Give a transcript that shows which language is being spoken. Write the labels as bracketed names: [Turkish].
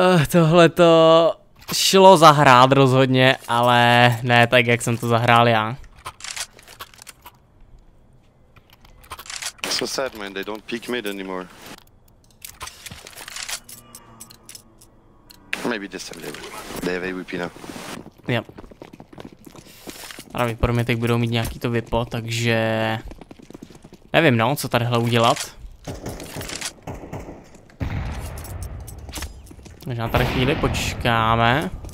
[Czech] Tohle to šlo zahrát rozhodně, ale ne tak, jak jsem to zahrál já. [English] So sad, man. They don't peek mid anymore. Maybe this time they have AWP now. Yep. [Czech] Pravděpodobně teď budou mít nějaký to vypo, takže nevím no, co tadyhle udělat. Možná tady chvíli počkáme.